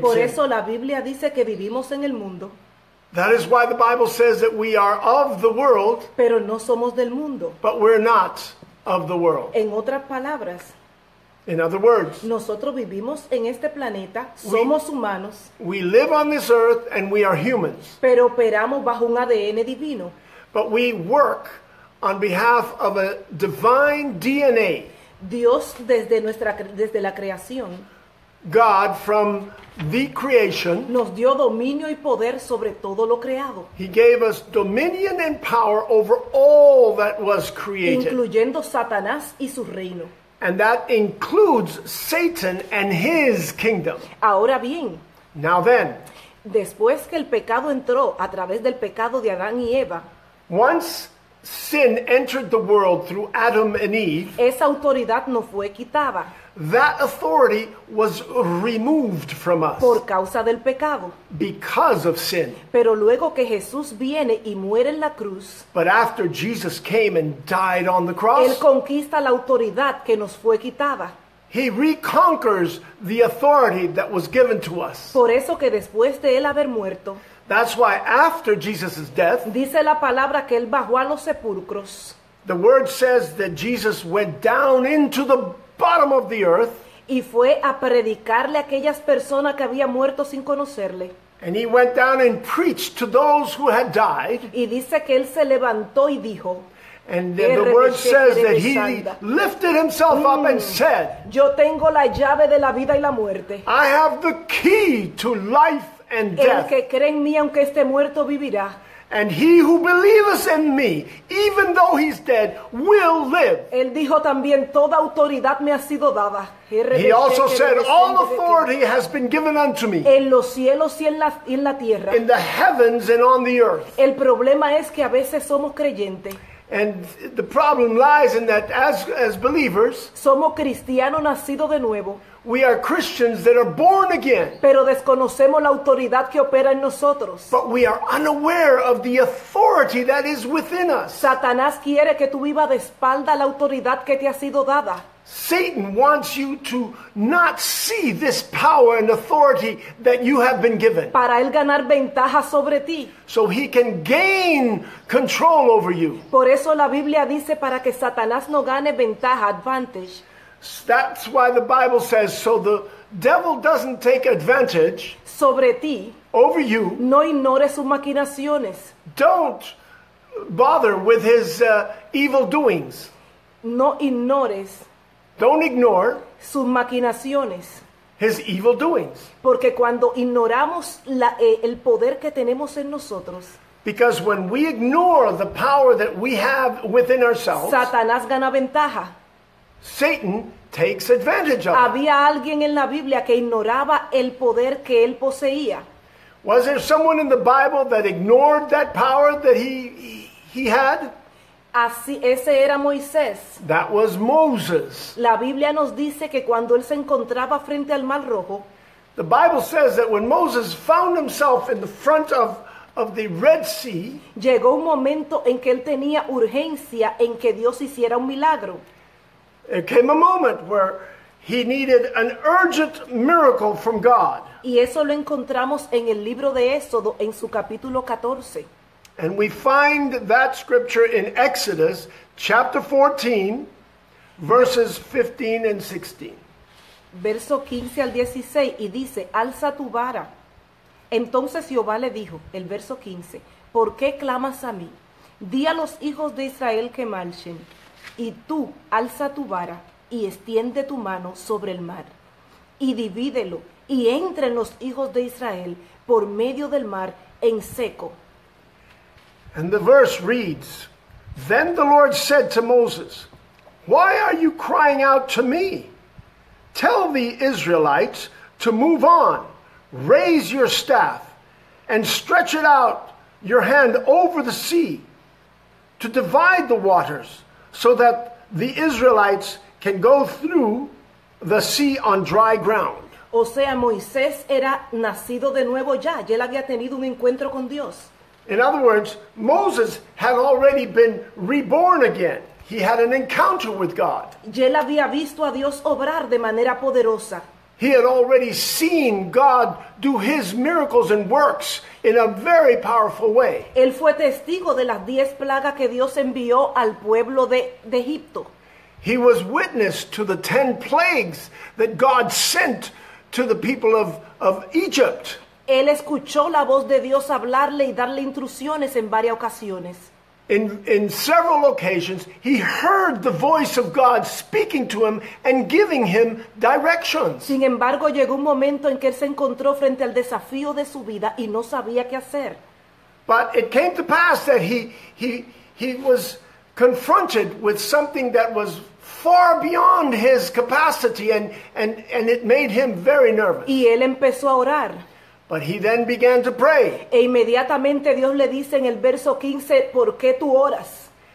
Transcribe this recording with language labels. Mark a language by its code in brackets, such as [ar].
[es] por eso [en] in. [es] La Biblia dice que vivimos en el mundo. [en] That is why the Bible says that we are of the world. [es] Pero no somos del mundo. [en] But we're not of the world. [es] En otras palabras, [en] in other words, [es] nosotros vivimos en este planeta, somos humanos. [en] We live on this earth and we are humans. [es] Pero operamos bajo un ADN divino. [en] But we work on behalf of a divine DNA. [es] Dios desde la creación, [en] God from the creation. [es] Nos dio dominio y poder sobre todo lo creado. [en] He gave us dominion and power over all that was created. [es] Incluyendo Satanás y su reino. [en] And that includes Satan and his kingdom. [es] Ahora bien. [en] Now then. [es] Después que el pecado entró a través del pecado de Adán y Eva. [en] Once sin entered the world through Adam and Eve. [es] Esa autoridad no fue quitada. [en] That authority was removed from us. [es] Por causa del pecado. [en] Because of sin. [es] Pero luego que Jesús viene y muere en la cruz. [en] But after Jesus came and died on the cross. [es] Él conquista la autoridad que nos fue quitada. [en] He reconquers the authority that was given to us. [es] Por eso que después de él haber muerto. [en] That's why after Jesus' death. [es] Dice la palabra que él bajó a los sepulcros. [en] The word says that Jesus went down into the bottom of the earth. [es] Y fue a predicarle a aquellas personas que había muerto sin conocerle. [en] And he went down and preached to those who had died. [es] Y dice que él se levantó y dijo. [en] And then the word says that he lifted himself up and said, [es] yo tengo la llave de la vida y la muerte. [en] I have the key to life and death. [es] El que cree en mí, aunque esté muerto, vivirá. [en] And he who believes in me, even though he's dead, will live. [es] Él dijo también, toda autoridad me ha sido dada. [en] He also said, all authority has been given unto me. [es] En los cielos y en la tierra. [en] In the heavens and on the earth. [es] El problema es que a veces somos creyentes. [en] And the problem lies in that as believers, [es] somos cristianos nacidos de nuevo. [en] We are Christians that are born again. [es] Pero desconocemos la autoridad que opera en nosotros. [en] But we are unaware of the authority that is within us. [es] Satanás quiere que tú vivas de espalda la autoridad que te ha sido dada. [en] Satan wants you to not see this power and authority that you have been given. [es] Para él ganar ventaja sobre ti. [en] So he can gain control over you. [es] Por eso la Biblia dice para que Satanás no gane ventaja, advantage. [en] That's why the Bible says, so the devil doesn't take advantage [es] sobre ti. [en] Over you. [es] No ignores sus maquinaciones. [en] Don't bother with his evil doings. [es] No ignores. [en] Don't ignore [es] sus maquinaciones. [en] His evil doings. [es] Porque cuando ignoramos el poder que tenemos en nosotros. [en] Because when we ignore the power that we have within ourselves. [es] Satanás gana ventaja. [en] Satan takes advantage of it. [es] Había alguien en la Biblia que ignoraba el poder que él poseía. [en] Was there someone in the Bible that ignored that power that he had? [es] Así, ese era Moisés. [en] That was Moses. [es] La Biblia nos dice que cuando él se encontraba frente al Mar Rojo. [en] The Bible says that when Moses found himself in the front of the Red Sea. [es] Llegó un momento en que él tenía urgencia en que Dios hiciera un milagro. [en] There came a moment where he needed an urgent miracle from God. [es] Y eso lo encontramos en el libro de Éxodo en su capítulo 14. [en] And we find that scripture in Exodus, chapter 14, verses 15 and 16. [es] Verso 15 al 16, y dice, alza tu vara. Entonces Jehová le dijo, el verso 15, ¿por qué clamas a mí? Di a los hijos de Israel que marchen, y tú alza tu vara, y extiende tu mano sobre el mar, y divídelo, y entre los hijos de Israel por medio del mar en seco. [en] And the verse reads, then the Lord said to Moses, why are you crying out to me? Tell the Israelites to move on, raise your staff, and stretch it out your hand over the sea to divide the waters so that the Israelites can go through the sea on dry ground. [es] O sea, Moisés era nacido de nuevo ya. Ya él había tenido un encuentro con Dios. [en] In other words, Moses had already been reborn again. He had an encounter with God. [es] Y él había visto a Dios obrar de manera poderosa. [en] He had already seen God do his miracles and works in a very powerful way. [es] Él fue testigo de las 10 plagas que Dios envió al pueblo de Egipto. [en] He was witness to the 10 plagues that God sent to the people of Egypt. [es] Él escuchó la voz de Dios hablarle y darle instrucciones en varias ocasiones. [en] In several occasions, he heard the voice of God speaking to him and giving him directions. [es] Sin embargo, llegó un momento en que él se encontró frente al desafío de su vida y no sabía qué hacer. [en] But it came to pass that he was confronted with something that was far beyond his capacity, and it made him very nervous. [es] Y él empezó a orar. [en] But he then began to pray. [es] E inmediatamente Dios le dice en el verso 15, ¿por qué tú oras?